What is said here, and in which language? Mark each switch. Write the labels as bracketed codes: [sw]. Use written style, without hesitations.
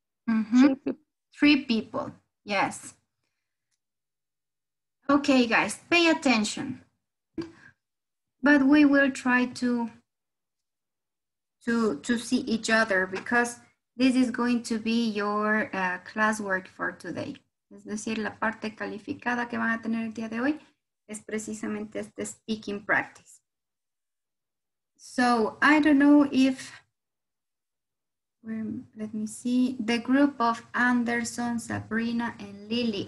[en] Mm-hmm. Three people. Yes. Okay, guys, pay attention. But we will try to see each other because this is going to be your classwork for today. [es] Es decir, la parte calificada que van a tener el día de hoy es precisamente este speaking practice. [en] So I don't know if. Let me see, the group of Anderson, Sabrina, and Lily.